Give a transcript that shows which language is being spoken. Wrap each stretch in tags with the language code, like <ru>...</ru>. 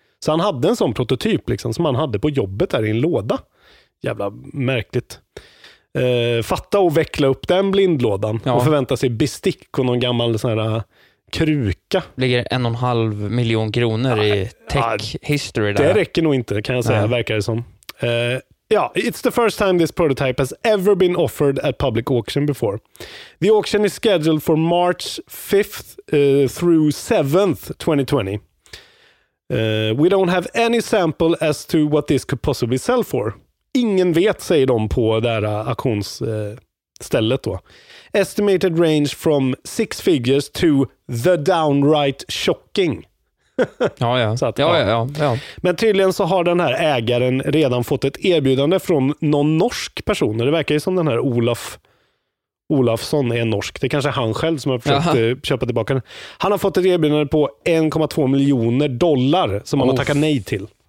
<sv>Så han hade en sån prototyp liksom som han hade på jobbet där i en låda. Jävla märkligt. Fatta och veckla upp den blindlådan, ja, och förvänta sig bestick och någon gammal sån här... kruka. Ligger 1,5 miljon kronor, nej, i tech, ja, history där. Det räcker nog inte, kan jag säga, verkar det som.</sv> <en>It's the first time this prototype has ever been offered at public auction before. The auction is scheduled for March 5th through 7th 2020. We don't have any sample as to what this could possibly sell for.</en> <sv>Ingen vet, säger de på där auktionsstället då.</sv> <en>Estimated range from 6 figures to the downright shocking.</en> <sv>Ja, ja. Så att, ja, ja, ja, ja. Men tydligen så har den här ägaren redan fått ett erbjudande från någon norsk person. Det verkar ju som den här Olafsson är norsk. Det är kanske han själv som har försökt köpa tillbaka den. Han har fått ett erbjudande på 1,2 miljoner dollar som han har tackat nej till.</sv>